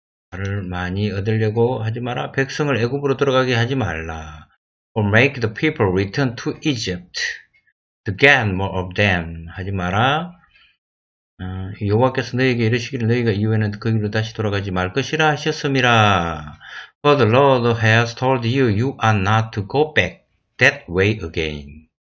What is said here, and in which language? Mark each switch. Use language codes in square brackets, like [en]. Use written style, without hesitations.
[ko] 말을 많이 얻으려고 하지 마라. 백성을 애굽으로 들어가게 하지 말라. [en] Or make the people return to Egypt to get more of them. [ko] 하지 마라. 여호와께서 너희에게 이르시기를 너희가 이후에는 그 길로 다시 돌아가지 말 것이라 하셨습니다. [en] For the Lord has told you, you are not to go back that way again.